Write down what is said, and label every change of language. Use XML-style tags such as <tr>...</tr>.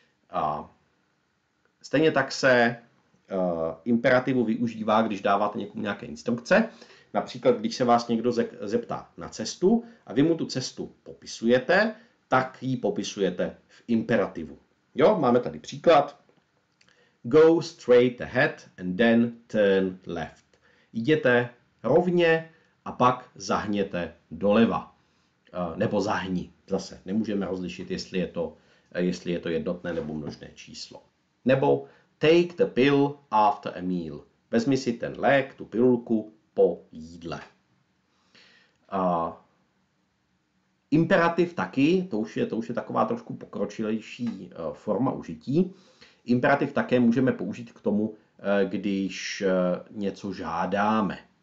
<cs>A stejně tak se imperativu využívá, když dáváte někomu nějaké instrukce. Například, když se vás někdo zeptá na cestu a vy mu tu cestu popisujete, tak ji popisujete v imperativu. Jo, máme tady příklad.</cs> <en>Go straight ahead and then turn left.</en> <cs>Jděte rovně a pak zahněte doleva. Nebo zahni. Zase nemůžeme rozlišit, jestli je to jednotné nebo množné číslo.</cs> <en>Nebo take the pill after a meal.</en> <cs>Vezmi si ten lék, tu pilulku po jídle. Imperativ taky, to už je taková trošku pokročilejší forma užití. Imperativ také můžeme použít k tomu, když něco žádáme.</cs>